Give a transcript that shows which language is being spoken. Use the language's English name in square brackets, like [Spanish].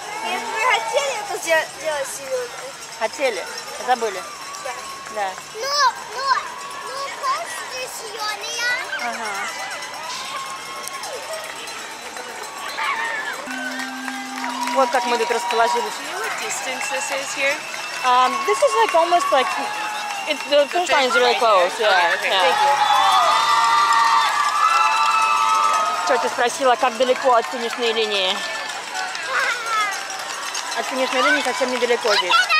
[Russian] Нет, мы хотели это сделать зеленым. Хотели, а забыли. Да. Но постер зеленый. Ага. Вот как мы тут расположились. [English] Do you know what distance this is here? This is like almost like it's the finish line is really close. Yeah. Okay. Yeah. Thank you. [Russian] Что ты спросила, как далеко от финишной линии? От финишной линии совсем недалеко здесь.